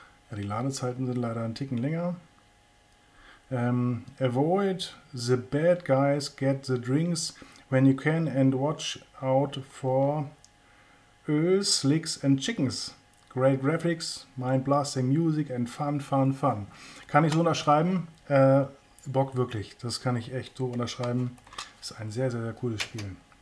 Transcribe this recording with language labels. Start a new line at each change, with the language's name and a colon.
German: Ja, die Ladezeiten sind leider ein Ticken länger.
English: Avoid the bad guys, get the drinks when you can and watch out for Öl, Slicks and Chickens. Great Graphics, Mind-Blasting Music and Fun, Fun, Fun.
German: Kann ich so unterschreiben? Bock wirklich. Das kann ich echt so unterschreiben. Ist ein sehr, sehr, sehr cooles Spiel.